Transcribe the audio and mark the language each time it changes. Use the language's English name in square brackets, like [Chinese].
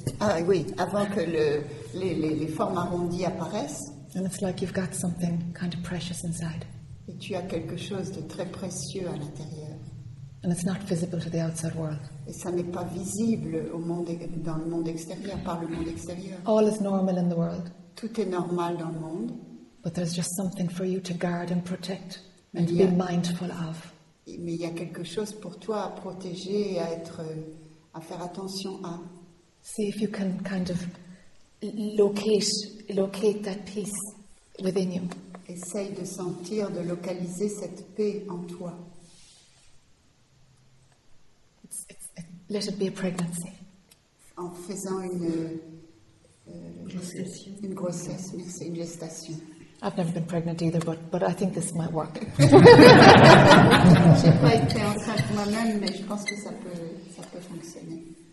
[French] Ah oui, avant que les formes arrondies apparaissent. [English] And it's like you've got something kind of precious inside. [French] Et tu as quelque chose de très précieux à l'intérieur. [English] And it's not visible to the outside world. [French] Et ça n'est pas visible dans le monde extérieur, par le monde extérieur. [English] All is normal in the world. [French] Tout est normal dans le monde. [English] But there's just something for you to guard and protect and to be mindful of. [French] Mais il y a quelque chose pour toi à protéger et à faire attention à. [English] See if you can kind of locate that peace within you. [French] Essaye de sentir, de localiser cette paix en toi. [English] Let it be a pregnancy. [French] En faisant une gestation. [English] I've never been pregnant either, but I think this might work. [French] J'ai pas été enceinte moi-même, mais je pense que ça peut fonctionner.